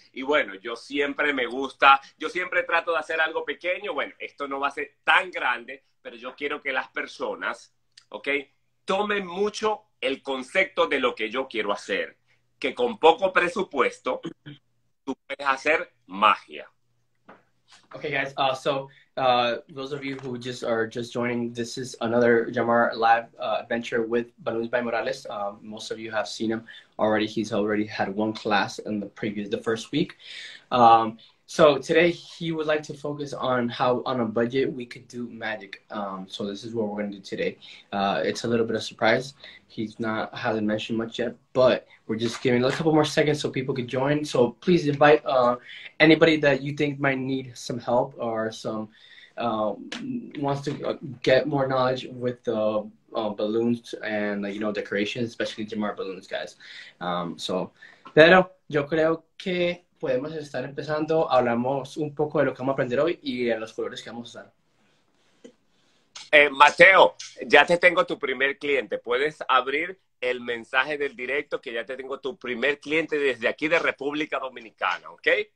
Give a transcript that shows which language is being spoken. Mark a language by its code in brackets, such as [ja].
[es] Y bueno, yo siempre trato de hacer algo pequeño. Bueno, esto no va a ser tan grande, pero yo quiero que las personas, ¿ok? Tomen mucho el concepto de lo que yo quiero hacer. Que con poco presupuesto, tú puedes hacer magia. [en] Okay, guys. Those of you who are just joining, this is another Gemar Live adventure with Balut by Morales. Most of you have seen him already. He's already had one class in the first week. So today he would like to focus on how on a budget we could do magic. So this is what we're going to do today. It's a little bit of a surprise. He's not hasn't mentioned much yet, but we're just giving a couple more seconds so people could join. So please invite anybody that you think might need some help or some wants to get more knowledge with the balloons and you know decorations, especially Jamar balloons, guys. [es] So pero yo creo que podemos estar empezando, hablamos un poco de lo que vamos a aprender hoy y de los colores que vamos a usar. Mateo, ya te tengo tu primer cliente. ¿Puedes abrir el mensaje del directo que ya te tengo tu primer cliente desde aquí de República Dominicana, ¿ok?